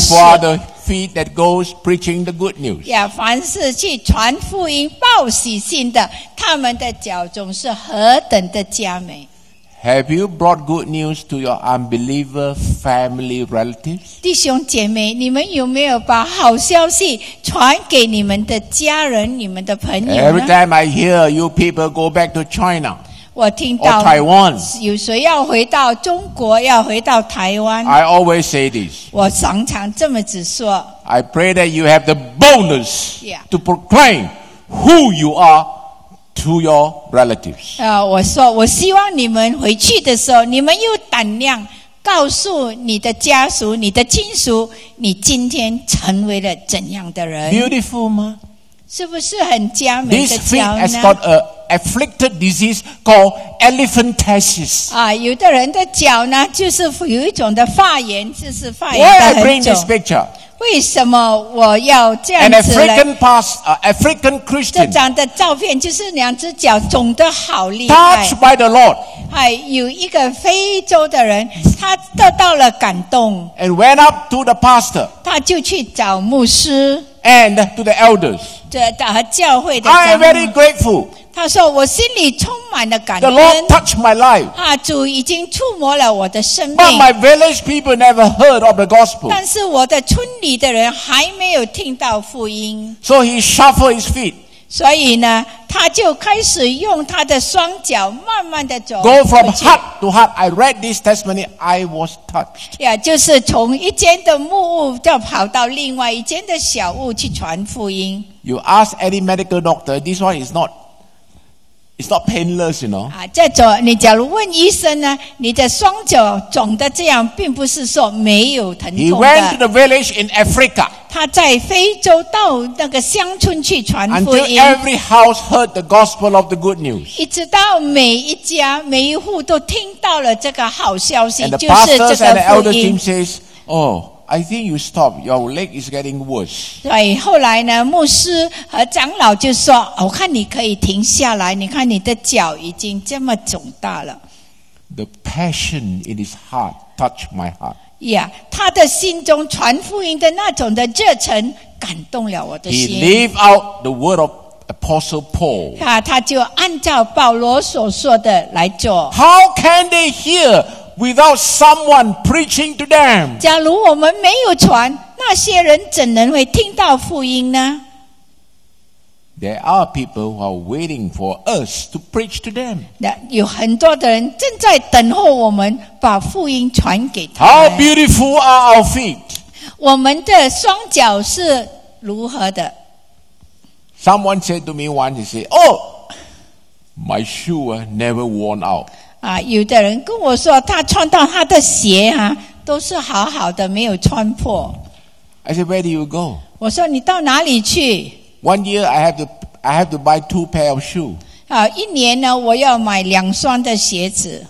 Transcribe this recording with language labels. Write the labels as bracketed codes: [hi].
[en] How beautiful are the feet that goes preaching the good news. [zh] 凡是去传福音报喜信的他们的脚踪是何等的佳美。 [en] Have you brought good news to your unbeliever family relatives? [zh] 弟兄姐妹你们有没有把好消息传给你们的家人你们的朋友呢? [en] Every time I hear you people go back to China, [zh] 我听到 [en] or Taiwan, [zh] 有谁要回到中国要回到台湾 [en] I always say this, [zh] 我常常这么子说 [en] I pray that you have the boldness to proclaim who you areTo your relatives. [zh] 我说我希望你们回去的时候你们有胆量告诉你的家属你的亲属你今天成为了怎样的人。 [en] Beautiful [zh] 吗是不是很佳美的脚呢 [en] This feet has got an afflicted disease called elephantiasis. [zh] 有的人的脚呢就是有一种的发炎就是发炎的很久。 [en] Why I bring this picture? [zh] 为什么我要这样子 [en] An African pastor, African Christian, [zh] 这张的照片就是两只脚肿得好厉害 [en] Touched by the Lord [zh] 有一个非洲的人他得到了感动 [en] And went up to the pastor [zh] 他就去找牧师 [en] And to the elders [zh] 和教会的长 [en] 老 I am very grateful [zh] 他说我心里充满了感恩 [en] The Lord touched my life [zh] 主已经触摸了我的生命 [en] But my village people never heard of the gospel [zh] 但是我的村里的人还没有听到福音 [en] So he shuffled his feet [zh] 所以呢他就开始用他的双脚慢慢的走。 [en] Go from heart to heart. I read this testimony. I was touched. [zh] 就是从一间的木屋就跑到另外一间的小屋去传福音。 [en] You ask any medical doctor, this one is not, it's not painless, you know. [zh] 在走，你假如问医生呢，你的双脚肿的这样，并不是说没有疼痛的。 [en] He went to the village in Africa. [zh] 他在非洲到那个乡村去传福音。 [en] Until every house heard the gospel of the good news. [zh] 一直到每一家每一户都听到了这个好消息，就是这个福音。 [en] And the elder team says, "Oh, I think you stop. Your leg is getting worse." [zh] 对，后来呢，牧师和长老就说：“我看你可以停下来，你看你的脚已经这么肿大了。” [en] The passion in his heart touched my heart. [zh] 他的心中传福音的那种的热忱感动了我的心。 [en] He lived out the word of Apostle Paul. [zh] 他就按照保罗所说的来做。 [en] How can they hear without someone preaching to them? [zh] 假如我们没有传，那些人怎能会听到福音呢？ [en] There are people who are waiting for us to preach to them. [zh] 有很多的人正在等候我们把福音传给他。 [en] How beautiful are our feet? [zh] 我们的双脚是如何的？ [en] Someone said to me once, he said, "Oh, my shoe never worn out." [zh] 有的人跟我说，他穿到他的鞋都是好好的，没有穿破。 [en] I said, "Where do you go?" [zh] 我说你到哪里去 [en] ？One year I have to buy two pair of shoes. [zh] 一年呢，我要买两双的鞋子。